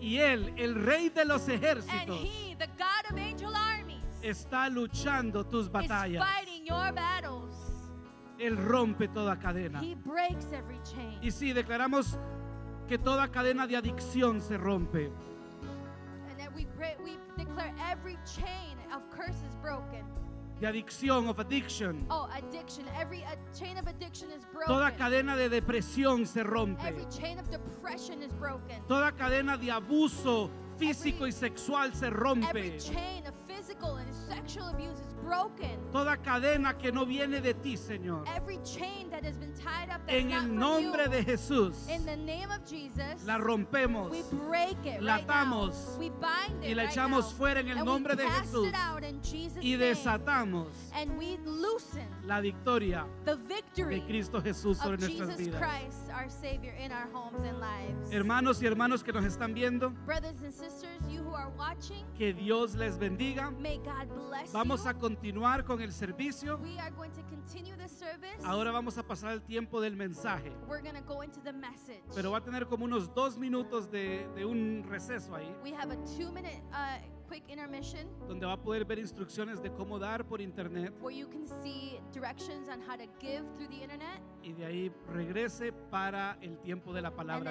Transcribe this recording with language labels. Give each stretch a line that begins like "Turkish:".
Spanish: y él, el rey de los ejércitos,
English: and he, the God of angel armies,
Spanish: está luchando tus batallas,
English: is fighting your battles.
Spanish: Él rompe toda cadena.
English: He breaks every chain.
Spanish: Y sí, declaramos que toda cadena de adicción se rompe.
English: And that we declare every chain of curse is broken.
Spanish: De adicción,
English: of addiction. Oh, addiction. Every chain of addiction is broken.
Spanish: Toda cadena de depresión se rompe.
English: Every chain of depression is broken.
Spanish: Toda cadena de abuso físico y sexual se rompe.
English: Every chain of physical and sexual abuse is broken.
Spanish: Toda cadena que no viene de ti, Señor.
English: Every chain that has been tied up,
Spanish: en el nombre de Jesús.
English: In the name of Jesus,
Spanish: la rompemos.
English: We break it.
Spanish: La atamos.
English: Right now. We bind it.
Spanish: Y la echamos fuera en el nombre de Jesús.
English: And we cast it out in Jesus' name.
Spanish: Y desatamos.
English: And we loosen
Spanish: la victoria.
English: The victory
Spanish: de Cristo Jesús sobre nuestras vidas.
English: Jesus Christ, our Savior, in our homes and lives.
Spanish: Hermanos y hermanos que nos están viendo.
English: Brothers and sisters, you who are watching.
Spanish: Que Dios les bendiga.
English: May God bless you.
Spanish: Vamos a continuar con el servicio.
English: We are going to continue the service.
Spanish: Ahora vamos a pasar el tiempo del mensaje.
English: We're going to go into the message.
Spanish: Pero va a tener como unos 2 minutos de un receso ahí.
English: We have a 2 minute quick intermission.
Spanish: Donde va a poder ver instrucciones de cómo dar por internet.
English: Where you can see directions on how to give through the internet.
Spanish: Y de ahí regrese para el tiempo de la palabra